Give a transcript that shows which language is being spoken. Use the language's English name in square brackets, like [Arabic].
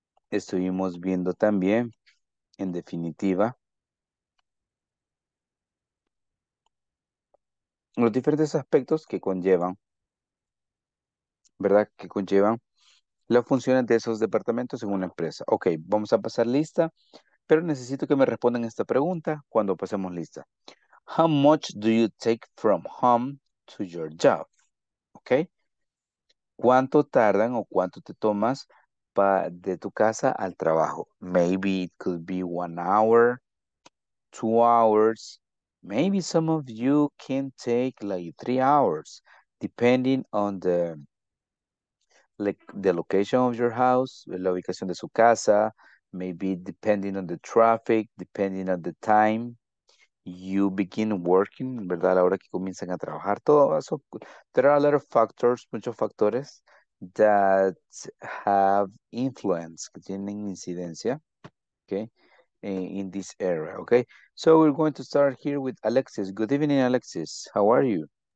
[Spanish] Estuvimos viendo también, en definitiva, los diferentes aspectos que conllevan, ¿verdad? Que conllevan las funciones de esos departamentos en una empresa. Ok, vamos a pasar lista, pero necesito que me respondan esta pregunta cuando pasemos lista. [English] How much do you take from home to your job? Ok. [Spanish] ¿Cuánto tardan o cuánto te tomas de tu casa al trabajo? [English] Maybe it could be 1 hour, 2 hours. Maybe some of you can take like 3 hours, depending on the location of your house, [Spanish] la ubicación de su casa, [English] maybe depending on the traffic, depending on the time you begin working, [Spanish] ¿verdad? A la hora que comienzan a trabajar, todo eso. [English] There are a lot of factors, [Spanish] muchos factores [English] that have influence, [Spanish] que tienen incidencia, [English] okay, in this area, okay? So we're going to start here with Alexis. Good evening, Alexis. How are you?